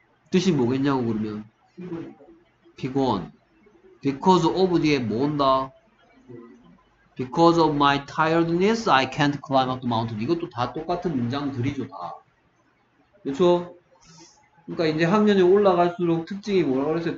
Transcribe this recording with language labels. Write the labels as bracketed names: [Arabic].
[Korean] 뜻이 뭐겠냐고 그러면 피곤. because of 뒤에 뭐 온다? [English] because of my tiredness I can't climb up the mountain. [Korean] 이것도 다 똑같은 문장들이죠. 다. 그쵸? 그러니까 이제 학년이 올라갈수록 특징이 뭐라고 그랬어요?